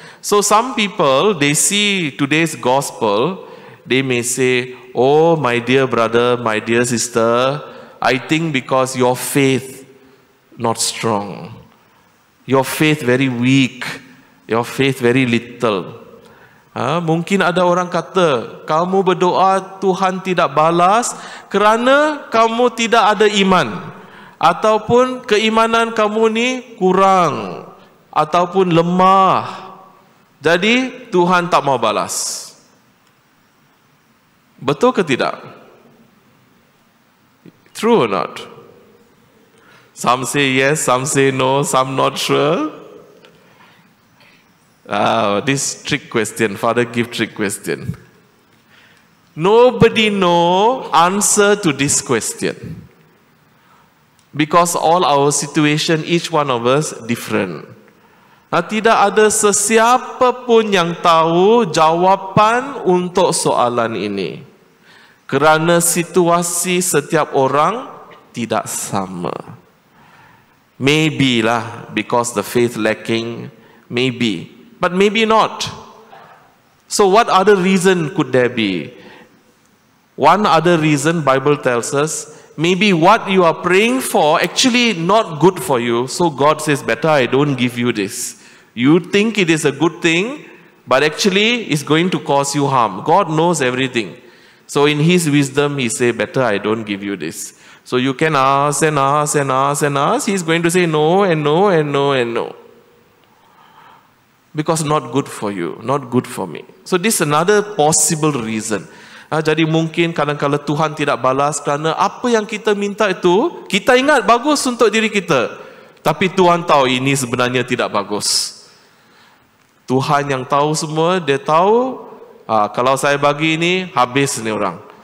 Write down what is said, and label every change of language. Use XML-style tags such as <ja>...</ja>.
<en>So some people, they see today's gospel, they may say, oh my dear brother, my dear sister, I think because your faith not strong, your faith very weak, your faith very little.</en> <ms>Mungkin ada orang kata, kamu berdoa Tuhan tidak balas kerana kamu tidak ada iman, ataupun keimanan kamu ni kurang ataupun lemah, jadi Tuhan tak mau balas. Betul ke tidak?</ms> <en>True or not? Some say yes, some say no, some not sure. This trick question, Father give trick question. Nobody know answer to this question. Because all our situation, each one of us different.</en> <ms>Nah, tidak ada sesiapa pun yang tahu jawapan untuk soalan ini. Kerana situasi setiap orang tidak sama.</ms> <en>Maybe lah, because the faith lacking, maybe. But maybe not. So what other reason could there be? One other reason, Bible tells us, maybe what you are praying for actually not good for you. So God says, better I don't give you this. You think it is a good thing, but actually it's going to cause you harm. God knows everything. So in his wisdom, he say, better I don't give you this. So you can ask and ask and ask and ask. He's going to say no and no and no and no. Because not good for you, not good for me. So this is another possible reason.</en> <ms>Jadi mungkin kadang-kadang Tuhan tidak balas kerana apa yang kita minta itu, kita ingat bagus untuk diri kita. Tapi Tuhan tahu ini sebenarnya tidak bagus. Tuhan yang tahu semua, dia tahu. Kalau saya bagi ini, habis ni orang.</ms>